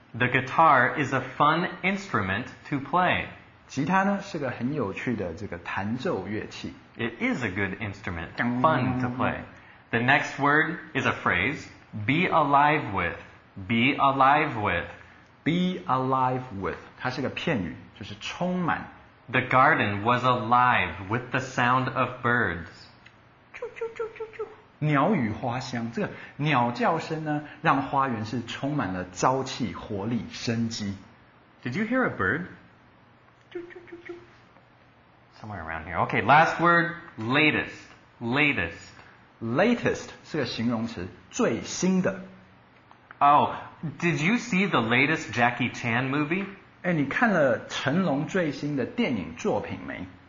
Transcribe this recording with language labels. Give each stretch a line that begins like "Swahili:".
English: The guitar is a fun instrument to play.
Chinese: 吉他呢是个很有趣的这个弹奏乐器。
English: It is a good instrument, fun to play. The next word is a phrase, be alive with.
Chinese: Be alive with, 它是个片语,就是充满。
English: The garden was alive with the sound of birds.
Chinese: 啾啾啾啾啾,鸟语花香,这个鸟叫声呢,让花园是充满了朝气,活力,生机。
English: Did you hear a bird? Somewhere around here. Okay, last word, latest.
Chinese: Latest 是个形容词，最新的。
English: Oh, did you see the latest Jackie Chan movie?
Chinese: 哎，你看了成龙最新的电影作品没？